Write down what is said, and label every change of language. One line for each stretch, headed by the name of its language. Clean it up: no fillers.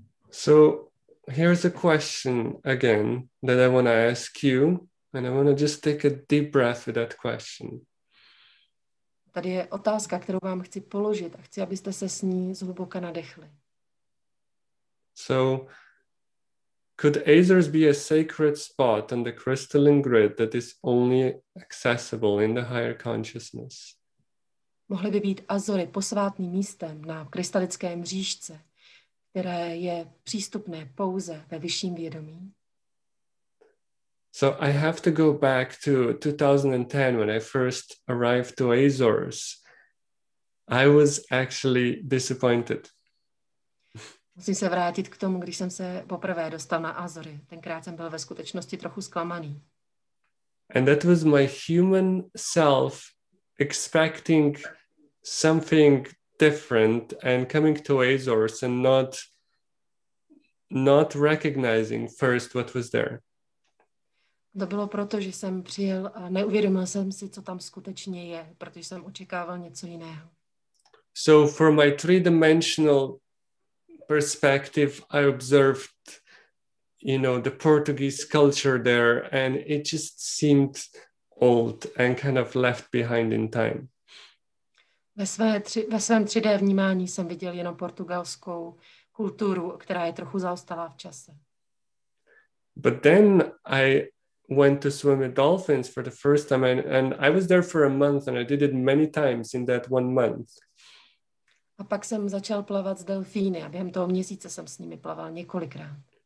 English: So here's a question again that I want to ask you, and I want to just take a deep breath with that question.
Czech: Tady je otázka, kterou vám chci položit a chci, abyste se s ní zhluboka nadechli.
English: So, could Azores be a sacred spot on the crystalline grid that is only accessible in the higher consciousness?
Czech: Mohly by být Azory posvátným místem na krystalické mřížce, které je přístupné pouze ve vyšším vědomí?
English: So I have to go back to 2010 when I first arrived to Azores. I was actually disappointed.
Czech: Musím se vrátit k tomu, když jsem se poprvé dostal na Azory. Tenkrát jsem byl ve skutečnosti trochu zklamaný.
English: And that was my human self expecting something different and coming to Azores and not recognizing first what was there.
Czech: To bylo proto, že jsem přijel a neuvědomil jsem si, co tam skutečně je, protože jsem očekával něco jiného.
English: So for my three-dimensional perspective, I observed, you know, the Portuguese culture there, and it just seemed old and kind of left behind in time.
Czech: Ve svém 3D vnímání jsem viděl jenom portugalskou kulturu, která je trochu zaostalá v čase.
English: But then I went to swim with dolphins for the first time and I was there for a month and I did it many times in that one month.
Czech: A pak jsem začal plavat s delfíny a během toho měsíce jsem s nimi plaval několikrát.